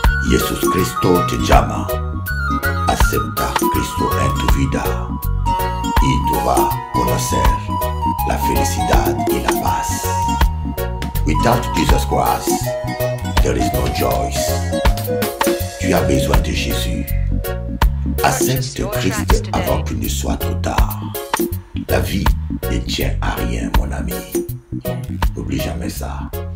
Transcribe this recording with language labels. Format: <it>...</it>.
<es>Jesus Cristo te llama, acepta Cristo en tu vida y tú vas a conocer la felicidad y la paz.</es> <en>Without Jesus Christ, there is no joy.</en> <fr>Tu as besoin de Jésus. Accepte Christ avant qu'il ne soit trop tard. La vie ne tient à rien, mon ami. N'oublie jamais ça.</fr>